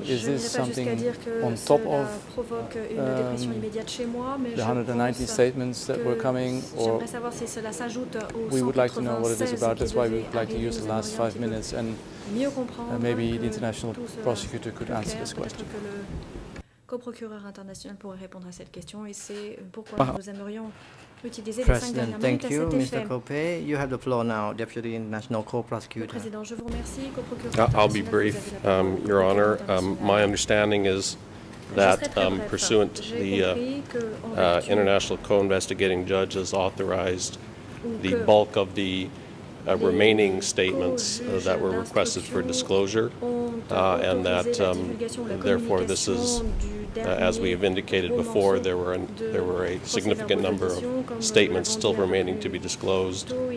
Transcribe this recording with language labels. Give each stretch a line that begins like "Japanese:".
English: Is this something on top of the 190 statements that were coming, or we would like to know what it is about? That's why we would like to use the last 5 minutes, and maybe the international prosecutor could answer this question.
French: Co-procureur international pourrait répondre à cette question, et c'est pourquoi nous aimerions utiliser les 5 dernières minutes à
English: thank you, Mr. Copé. You have the floor now, Deputy National Co-Prosecutor.
French: Le président, je vous remercie.
English: I'll be brief, Your Honor. My understanding is that pursuant to the international co-investigating judge has authorized the bulk of the remaining statements that were requested for disclosure, and that therefore this is, as we have indicated before, there were a significant number of statements still remaining to be disclosed.